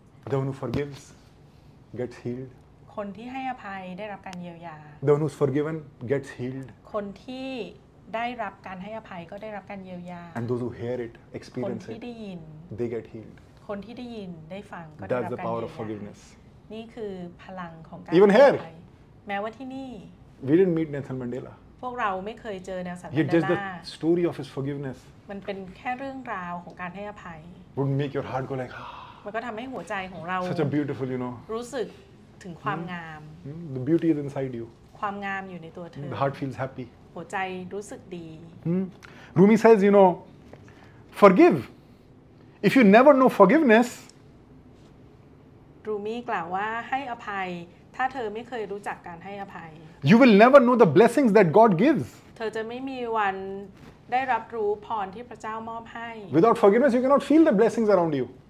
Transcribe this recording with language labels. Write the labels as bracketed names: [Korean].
[English] The one who forgives gets healed. [Thai] คนที่ให้อภัยได้รับการเยียวยา [English] The one who's forgiven gets healed. [Thai] คนที่ได้รับการให้อภัยก็ได้รับการเยียวยา [English] And those who hear it, experience it. [Thai] คนที่ได้ยิน [English] They get healed. [Thai] คนที่ได้ยินได้ฟังก็ได้รับ [English] การ That's the power of forgiveness. [Thai] นี่คือพลังของการ [English] Even here. [Thai] แม้ว่าที่นี่ [English] We didn't meet Nelson Mandela. [Thai] พวกเราไม่เคยเจอ Nelson Mandela. [English] Yet just the story of his forgiveness [Thai] มันเป็นแค่เรื่องราวของการให้อภัย [English] Would make your heart go like [Thai] มันก็ทำให้หัวใจของเรา [English] Such a beautiful you know [Thai] รู้สึกถึงความงาม [English] The beauty is inside you [Thai] ความงามอยู่ในตัวเธอ [English] The heart feels happy [Thai] หัวใจรู้สึกดี [English] Rumi says you know forgive if you never know forgiveness [Thai] Rumi กล่าวว่าให้อภัยถ้าเธอไม่เคยรู้จักการให้อภัย [English] You will never know the blessings that God gives [Thai] เธอจะไม่มีวันได้รับรู้พรที่พระเจ้ามอบให้ [English] Without forgiveness you cannot feel the blessings around you